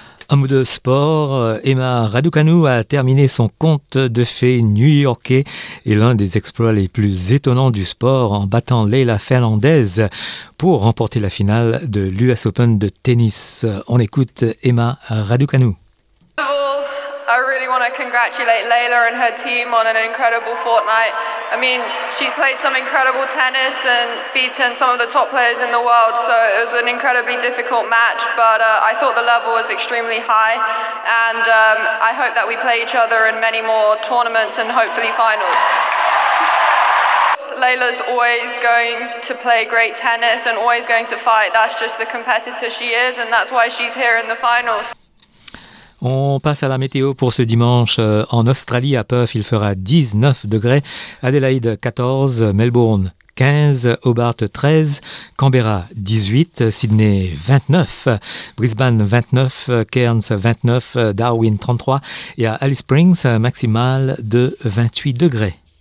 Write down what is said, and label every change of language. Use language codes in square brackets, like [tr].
[fr] Un mot de sport, Emma Raducanu a terminé son conte de fées new-yorkais et l'un des exploits les plus étonnants du sport en battant Leila Fernandez pour remporter la finale de l'US Open de tennis. On écoute Emma Raducanu. [en] I really want to congratulate Leila and her team on an incredible fortnight. I mean, she's played some incredible tennis and beaten some of the top players in the world, so it was an incredibly difficult match, but I thought the level was extremely high, and I hope that we play each other in many more tournaments and hopefully finals. Leila's always going to play great tennis and always going to fight. That's just the competitor she is, and that's why she's here in the finals. [fr] On passe à la météo pour ce dimanche. En Australie, à Perth, il fera 19 degrés. Adélaïde, 14. Melbourne, 15. Hobart, 13. Canberra, 18. Sydney, 29. Brisbane, 29. Cairns, 29. Darwin, 33. Et à Alice Springs, maximale de 28 degrés.